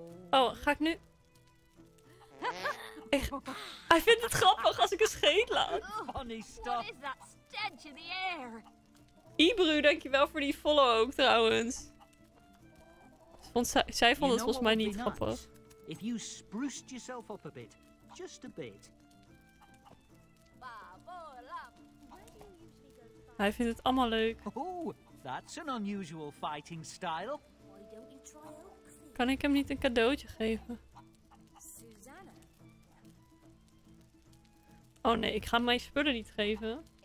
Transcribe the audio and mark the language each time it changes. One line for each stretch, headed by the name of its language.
Dutch: Oh, ga ik nu. Hij vindt het grappig als ik een scheet laat.
English: Funny stuff. What is that stench in the air?
Dutch: Ibru, dankjewel voor die follow ook trouwens. Zij vond het volgens mij niet grappig.
English: If you spruced yourself up a bit, just a bit.
Dutch: Hij vindt het allemaal leuk.
English: Oh, that's an unusual fighting style.
Dutch: Kan ik hem niet een cadeautje geven? Oh nee, ik ga mijn spullen niet geven.